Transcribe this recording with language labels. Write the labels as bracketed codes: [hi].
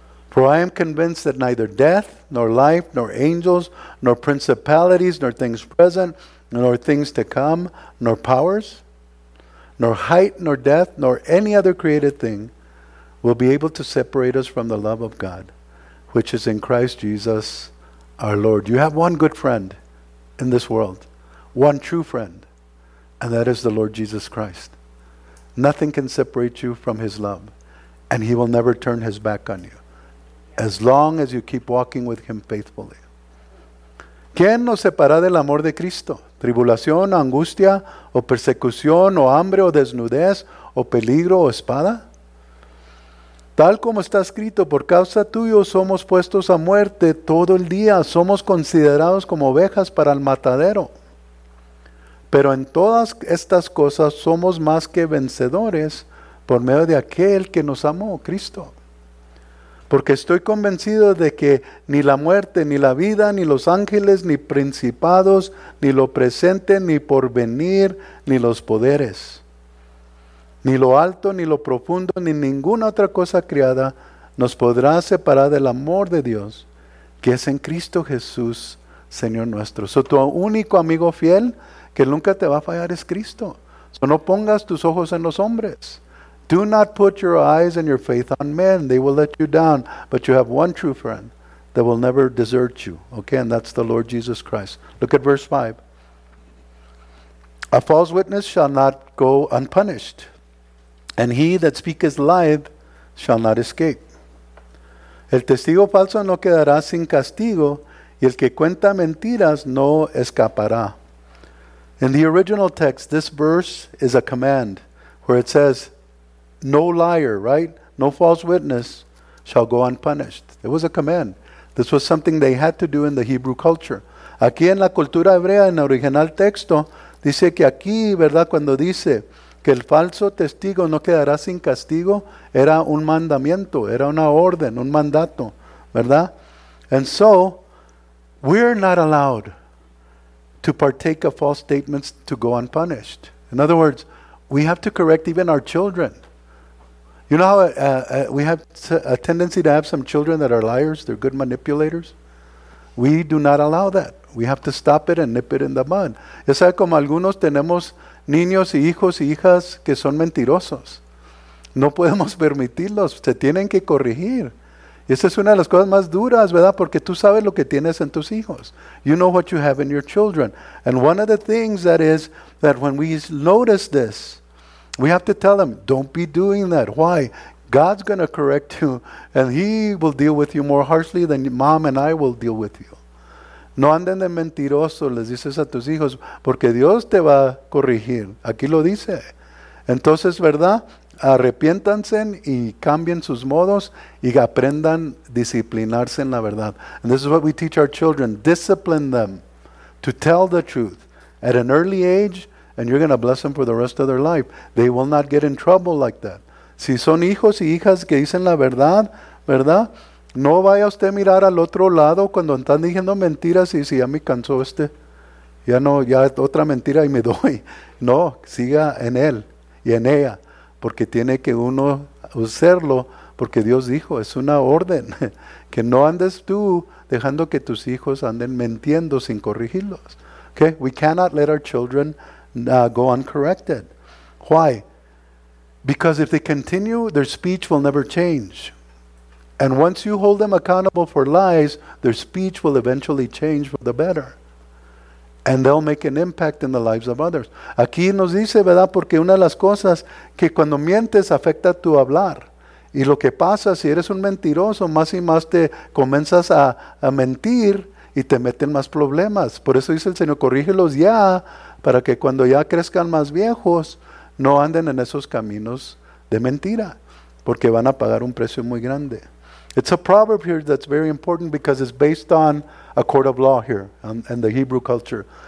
[en] For I am convinced that neither death, nor life, nor angels, nor principalities, nor things present, nor things to come, nor powers, nor height, nor depth, nor any other created thing will be able to separate us from the love of God, which is in Christ Jesus our Lord. You have one good friend in this world, one true friend, and that is the Lord Jesus Christ. Nothing can separate you from his love, and he will never turn his back on you, as long as you keep walking with him faithfully. [es] ¿Quién nos separará del amor de Cristo? ¿Tribulación, angustia, o persecución, o hambre, o desnudez, o peligro, o espada? Tal como está escrito, por causa tuyo somos puestos a muerte todo el día, somos considerados como ovejas para el matadero. Pero en todas estas cosas somos más que vencedores por medio de aquel que nos amó, Cristo. Porque estoy convencido de que ni la muerte, ni la vida, ni los ángeles, ni principados, ni lo presente, ni porvenir, ni los poderes, ni lo alto, ni lo profundo, ni ninguna otra cosa creada nos podrá separar del amor de Dios, que es en Cristo Jesús, Señor nuestro. So, tu único amigo fiel que nunca te va a fallar es Cristo. So, no pongas tus ojos en los hombres. [en] Do not put your eyes and your faith on men. They will let you down. But you have one true friend that will never desert you. Okay, and that's the Lord Jesus Christ. Look at verse 5. A false witness shall not go unpunished, and he that speaketh lies shall not escape. [es] El testigo falso no quedará sin castigo, y el que cuenta mentiras no escapará. [en] In the original text, this verse is a command where it says, no liar, right? No false witness shall go unpunished. It was a command. This was something they had to do in the Hebrew culture. [es] Aquí en la cultura hebrea, en el original texto, dice que aquí, ¿verdad? Cuando dice que el falso testigo no quedará sin castigo, era un mandamiento, era una orden, un mandato, ¿verdad? [en] And so, we're not allowed to partake of false statements to go unpunished. In other words, we have to correct even our children. You know how we have a tendency to have some children that are liars, they're good manipulators? We do not allow that. We have to stop it and nip it in the bud. [es] Ya sabe, como algunos tenemos niños y hijos y hijas que son mentirosos. No podemos permitirlos. Se tienen que corregir. Y esa es una de las cosas más duras, ¿verdad? Porque tú sabes lo que tienes en tus hijos. [en] You know what you have in your children. And one of the things that is, that when we notice this, we have to tell them, don't be doing that. Why? God's going to correct you, and he will deal with you more harshly than mom and I will deal with you. [es] No anden de mentiroso, les dices a tus hijos, porque Dios te va a corregir. Aquí lo dice. Entonces, ¿verdad? Arrepiéntanse y cambien sus modos y aprendan disciplinarse en la verdad. [en] And this is what we teach our children. Discipline them to tell the truth at an early age, and you're going to bless them for the rest of their life. They will not get in trouble like that. [es] Si son hijos y hijas que dicen la verdad, ¿verdad? No vaya usted a mirar al otro lado cuando están diciendo mentiras y si ya me cansó este, ya no, ya otra mentira y me doy. No, siga en él y en ella, porque tiene que uno hacerlo, porque Dios dijo, es una orden, que no andes tú dejando que tus hijos anden mintiendo sin corregirlos. [en] Okay, we cannot let our children go uncorrected. Why? Because if they continue, their speech will never change. And once you hold them accountable for lies, their speech will eventually change for the better. And they'll make an impact in the lives of others. [es] Aquí nos dice, ¿verdad? Porque una de las cosas que cuando mientes afecta tu hablar. Y lo que pasa, si eres un mentiroso, más y más te comienzas a mentir y te meten más problemas. Por eso dice el Señor, corrígelos ya, para que cuando ya crezcan más viejos, no anden en esos caminos de mentira, porque van a pagar un precio muy grande. [en] It's a proverb here that's very important because it's based on a court of law here in the Hebrew culture.